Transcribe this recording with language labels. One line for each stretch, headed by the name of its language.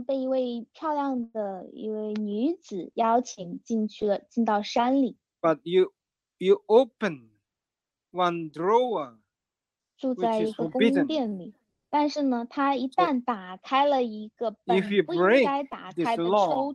Chinese: 被一位漂亮的一位女子邀请进去了，进到山里。
English: But you open one drawer, which is forbidden.
Chinese: 住在一个宫殿里。但是呢，他一旦打开了一个本不应该打开的抽屉，